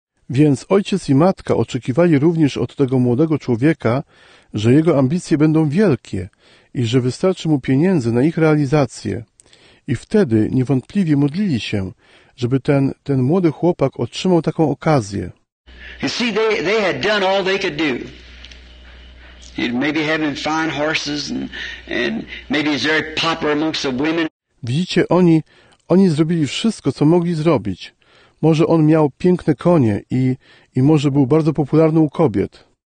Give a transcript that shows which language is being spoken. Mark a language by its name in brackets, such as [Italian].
[Polish] Więc ojciec i matka oczekiwali również od tego młodego człowieka, że jego ambicje będą wielkie i że wystarczy mu pieniędzy na ich realizację. I wtedy niewątpliwie modlili się, żeby ten młody chłopak otrzymał taką okazję. [English] You see, they had done all they could do. Maybe having fine horses and maybe he's very popular amongst the women. [Polish] Widzicie, oni zrobili wszystko, co mogli zrobić. Może on miał piękne konie i może był bardzo popularny u kobiet.